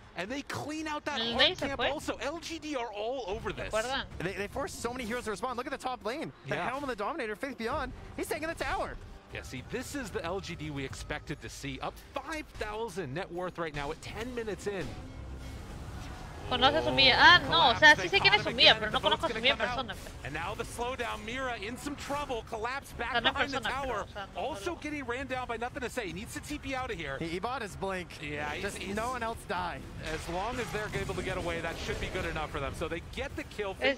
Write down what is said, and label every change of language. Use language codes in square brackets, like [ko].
[en] And they clean out that haunt camp also. LGD are all over this. They force so many heroes to respond. Look at the top lane. The Helm of the Dominator, Faith Beyond. He's taking the tower. Yeah, see, this is the LGD we expected to see. Up 5,000 net worth right now at 10 minutes in. [es] Conoce a Sumiya. Ah, no, o sea, sí sé quién es Sumiya, pero no conozco a Sumiya en persona. [en] And now the slowdown, Mira in some trouble, collapsed back behind the tower. [es] Pero, o sea, no, [en] also getting ran down by nothing to say. He needs to TP out of here. He bought his blink. Yeah, just no one else die. As long as they're able to get away, that should be good enough for them. So they get the kill.